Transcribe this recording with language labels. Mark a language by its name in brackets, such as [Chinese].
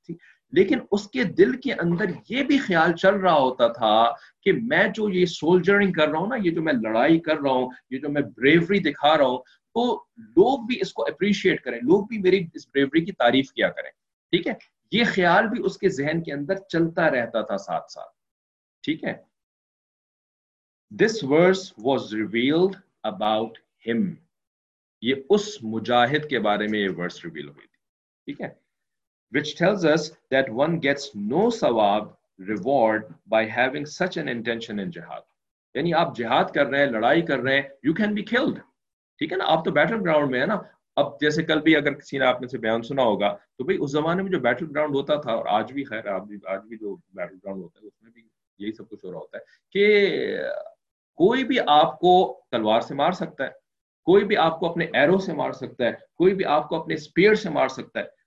[Urdu] ٹھیک, لیکن اس کے دل کے اندر یہ بھی خیال چل رہا ہوتا تھا کہ میں جو یہ سولجرنگ کر رہا ہوں نا, یہ جو میں لڑائی کر رہا ہوں, یہ جو میں بریوری دکھا رہا ہوں, تو لوگ بھی اس کو اپریشیٹ کریں, لوگ بھی میری اس بریوری کی تعریف کیا کریں. ٹھیک ہے, یہ خیال بھی اس کے ذہن کے اندر چلتا رہتا تھا ساتھ ساتھ. ٹھیک ہے, [English] this verse was revealed about ہم, [Urdu] یہ اس مجاہد کے بارے میں یہ ورس ریویل ہوئی تھی. [English] ٹھیک ہے, which tells us that one gets no sawab reward by having such an intention in jihad. [Urdu] یعنی آپ جہاد کر رہے ہیں, لڑائی کر رہے ہیں, [English] You can be killed. [Urdu] ٹھیک ہے نا, آپ تو بیٹل گراؤنڈ میں ہے نا. اب جیسے کل بھی اگر کسی نے آپ نے سے بیان سنا ہوگا تو بھائی اس زمانے میں جو بیٹل گراؤنڈ ہوتا تھا, اور آج بھی خیر آج بھی جو بیٹل گراؤنڈ ہوتا ہے اس میں بھی یہی سب کچھ ہو رہا ہوتا ہے کہ کوئی بھی آپ کو تلوار سے مار سکتا ہے, کوئی بھی آپ کو اپنے ایرو سے مار سکتا ہے, کوئی بھی آپ کو اپنے اسپیئر سے مار سکتا ہے.